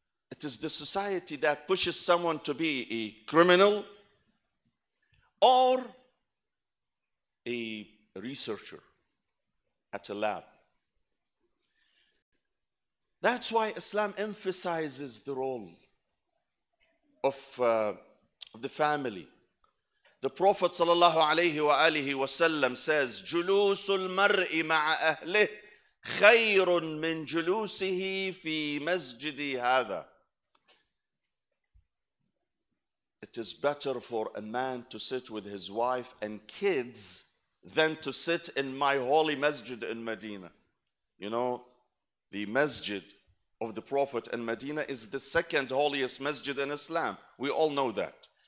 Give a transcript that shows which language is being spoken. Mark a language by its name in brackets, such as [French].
[English] It is the society that pushes someone to be a criminal or a researcher at a lab. That's why Islam emphasizes the role of the family. [Arabic] The Prophet sallallahu alayhi wa alihi wa sallam says, جُلُوسُ الْمَرْءِ مَعَ أَهْلِهِ خَيْرٌ مِنْ جُلُوسِهِ فِي مَسْجِدِ هَذَا. [English] It is better for a man to sit with his wife and kids than to sit in my holy masjid in Medina. You know, the masjid of the Prophet in Medina is the second holiest masjid in Islam. We all know that.